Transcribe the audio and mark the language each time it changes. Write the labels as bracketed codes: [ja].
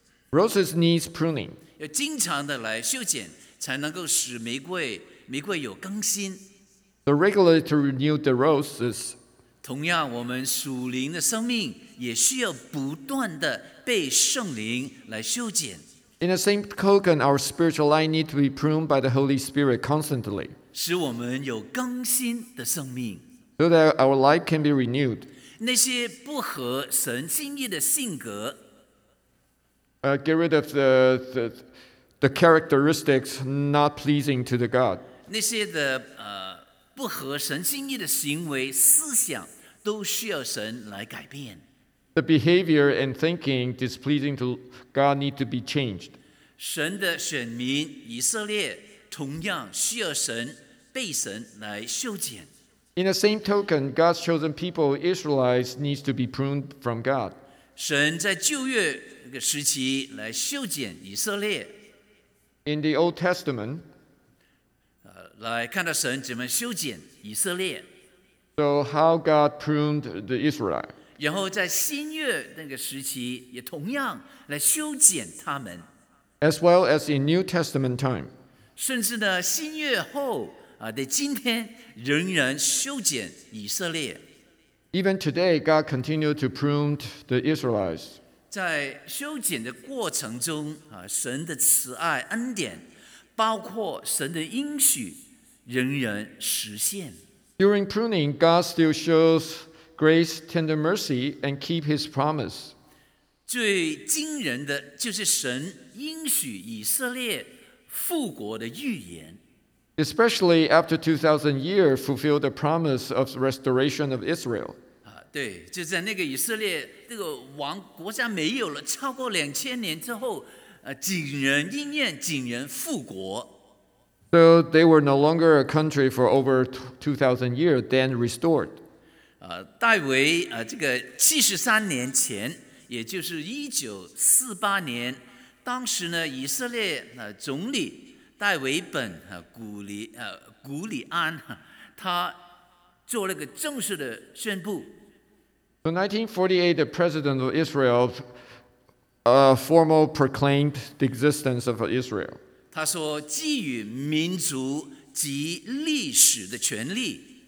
[en] Roses needs pruning. [zh] 要经常的来修剪。才能够使玫瑰有更新。 [en] The regular to renew the roses. [zh] 同样，我们属灵的生命也需要不断的被圣灵来修剪。 [en] In the same token, our spiritual life needs to be pruned by the Holy Spirit constantly. [zh] 使我们有更新的生命。 [en] So that our life can be renewed. [zh] 那些不合神心意的性格。 [en] Get rid of the characteristics not pleasing to the God. [zh] 那些的不合神心意的行为思想都需要神来改变。 [en] The behavior and thinking displeasing to God need to be changed. [zh] 神的选民以色列同样需要神被神来修剪。 [en] In the same token, God's chosen people, Israelites, needs to be pruned from God. [zh] 神在旧约那个时期来修剪以色列。 [en] In the Old Testament, [zh] 来看到神怎么修剪以色列。 [en] So how God pruned the Israelite. [zh] 然后在新约那个时期也同样来修剪他们。 [en] As well as in New Testament time. [zh] 甚至呢，新约后的今天仍然修剪以色列。 [en] Even today, God continued to prune the Israelites. [zh] 在修剪的过程中，神的慈爱恩典，包括神的应许，仍然实现。 [en] During pruning, God still shows grace, tender mercy, and keep His promise. [zh] 最惊人的就是神应许以色列复国的预言。 [en] Especially after 2,000 years, fulfilled the promise of restoration of Israel. [zh] 对，就在那个以色列这个王国家没有了超过2000年之后，竟然应验，竟然复国。 [en] So they were no longer a country for over 2,000 years, then restored. [zh] 大卫这个73年前，也就是1948年，当时呢以色列总理大卫本古里安，他做了个正式的宣布。 [en] So 1948, the president of Israel formally proclaimed the existence of Israel. [zh] 他说基于民族及历史的权利。